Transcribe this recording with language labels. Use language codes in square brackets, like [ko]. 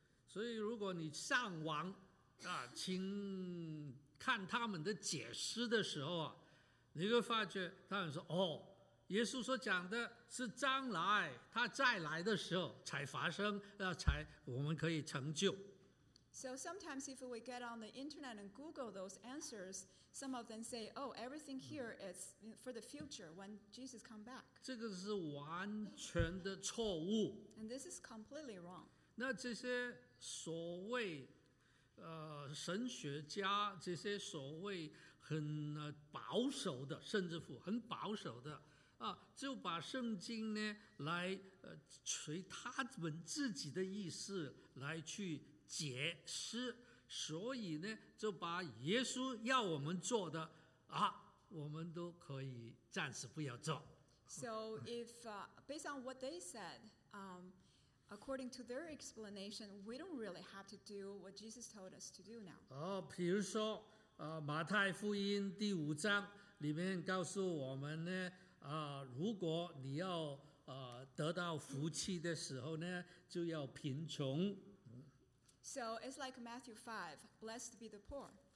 [zh] 所以如果你上网请看他们的解释的时候你会发觉他们说耶稣所讲的是将来他再来的时候才发生才我们可以成就。 [en] So sometimes if we get on the internet and Google those answers, some of them say, oh, everything here is for the future when Jesus come back. [zh] 这个是完全的错误。 [en] And this is completely wrong. [zh] 那这些所谓神学家，这些所谓很保守的，甚至乎很保守的就把圣经呢来随他们自己的意思来去解释，所以呢就把耶稣要我们做的我们都可以暂时不要做。 [en] So if based on what they said, According to their explanation, we don't really have to do what Jesus told us to do now. [zh] 比如说，马太福音第五章里面告诉我们呢，如果你要得到福气的时候呢，就要贫穷。 [en] So it's like Matthew 5, blessed be the poor.